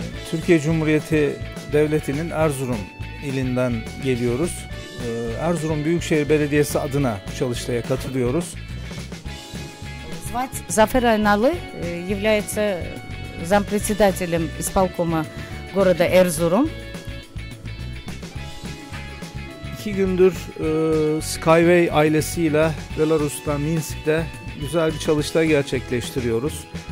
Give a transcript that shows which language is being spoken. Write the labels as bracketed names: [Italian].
[Turkish] Türkiye Cumhuriyeti Devleti'nin Erzurum ilinden geliyoruz. Erzurum Büyükşehir Belediyesi adına çalıştaya katılıyoruz. [Russian] Звать Zafer Aynalı, является зампредседателем исполкома города Erzurum. [Turkish] 2 gündür SkyWay ailesiyle Belarus'ta Minsk'te güzel bir çalıştay gerçekleştiriyoruz.